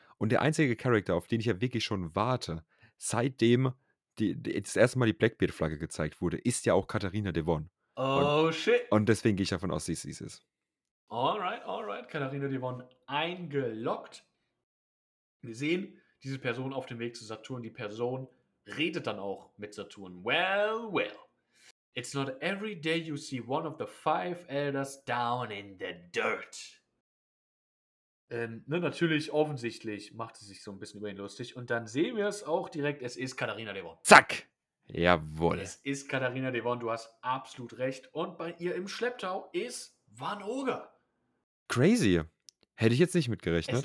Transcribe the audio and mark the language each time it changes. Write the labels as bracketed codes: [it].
[de] Und der einzige Charakter, auf den ich ja wirklich schon warte, seitdem das erste Mal die Blackbeard-Flagge gezeigt wurde, ist ja auch Katharina Devon. [en] Oh, shit. [de] Und deswegen gehe ich davon aus, dass sie es ist. Alright. Katharina Devon eingeloggt. Wir sehen diese Person auf dem Weg zu Saturn. Die Person redet dann auch mit Saturn. Well. [en] It's not every day you see one of the five elders down in the dirt. [de] Ne, natürlich, offensichtlich macht sie sich so ein bisschen über ihn lustig. Und dann sehen wir es auch direkt, es ist Katharina Devon. Zack! Jawohl. Es ist Katharina Devon, du hast absolut recht. Und bei ihr im Schlepptau ist Van Oger. Crazy. Hätte ich jetzt nicht mitgerechnet.